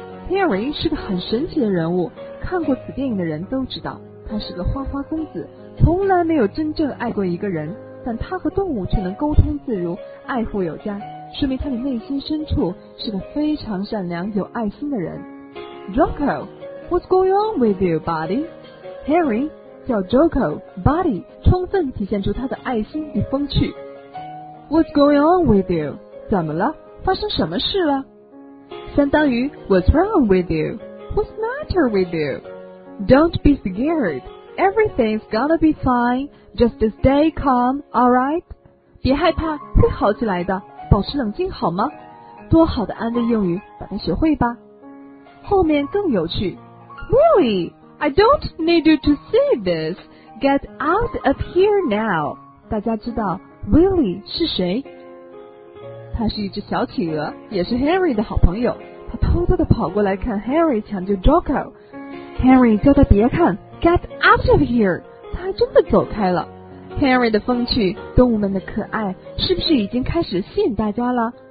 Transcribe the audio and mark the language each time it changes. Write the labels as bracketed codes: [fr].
[zh] Henry 是个很神奇的人物，看过此电影的人都知道。他是个花花公子，从来没有真正爱过一个人，但他和动物却能沟通自如，爱护有加，说明他的内心深处是个非常善良有爱心的人。 [en] Jocko, what's going on with you, buddy? [zh] Harry 叫 Jocko, buddy 充分体现出他的爱心与风趣。 [en] What's going on with you? [zh] 怎么了？发生什么事了？相当于 [en] What's wrong with you? What's matter with you? Don't be scared. Everything's gonna be fine. Just stay calm, alright? [zh] 别害怕，会好起来的。保持冷静好吗？多好的安慰用语，把它学会吧。后面更有趣。 [en] Willie, I don't need you to see this. Get out of here now. [zh] 大家知道 Willie 是谁？他是一只小企鹅，也是 Harry 的好朋友。他偷偷地跑过来看 Harry 抢救 Jocko。 Henry 叫他别看 ， [en] Get out of here！ [zh] 他还真的走开了。 Henry 的风趣，动物们的可爱，是不是已经开始吸引大家了？